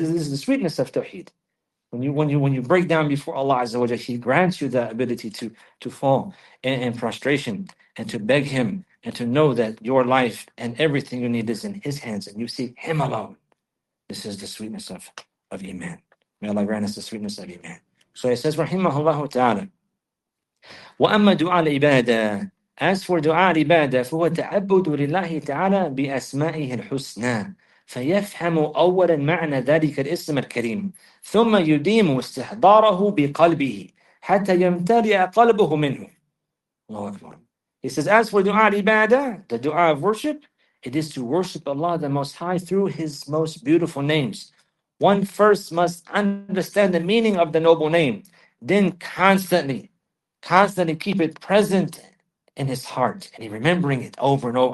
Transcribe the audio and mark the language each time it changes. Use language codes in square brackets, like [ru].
[en] This is the sweetness of Tawheed. When you break down before Allah Azza wa Jalla, He grants you the ability to fall in prostration and to beg Him and to know that your life and everything you need is in His hands and you seek Him alone. This is the sweetness of Iman. May Allah grant us the sweetness of Iman. So it says, Rahimahullah ta'ala, [ar] وَأَمَّا دُعَى الْعِبَادَةِ. [en] As for dua al-ibadah, [ar] فَهُوَ تَعَبُّدُ لِلَّهِ تَعَالَى بِأَسْمَائِهِ الْحُسْنَى فَيَفْحَمُ أَوَّلًا مَعْنَى ذَلِكَ الْإِسْمِ الْكَرِيمِ ثُمَّ يُدِيمُ اسْتِحْضَارَهُ بِقَلْبِهِ حَتَّى يَمْتَلِئَ قَلْبُهُ مِنْهُ. Allahu Akbar. [en] He says, as for dua al-ibadah, the dua of worship, it is to worship Allah the Most High through His most beautiful names. One first must understand the meaning of the noble name, then constantly keep it present in his heart, and he remembering it over and over.